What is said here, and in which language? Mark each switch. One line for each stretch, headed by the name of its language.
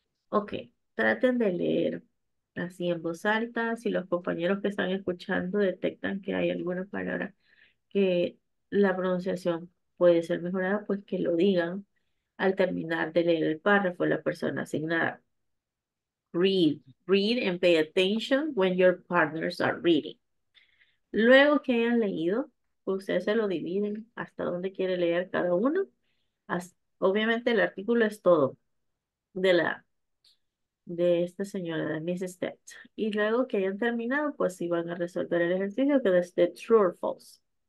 Spanish: Ok, traten de leer así en voz alta. Si los compañeros que están escuchando detectan que hay alguna palabra que la pronunciación puede ser mejorada, pues que lo digan al terminar de leer el párrafo la persona asignada.
English: Read, read and pay attention when your partners are reading.
Spanish: Luego que hayan leído, pues ustedes se lo dividen hasta donde quiere leer cada uno. Obviamente el artículo es todo de esta señora, de Mrs. Ted. Y luego que hayan terminado, pues si van a resolver el ejercicio, que es de true or false.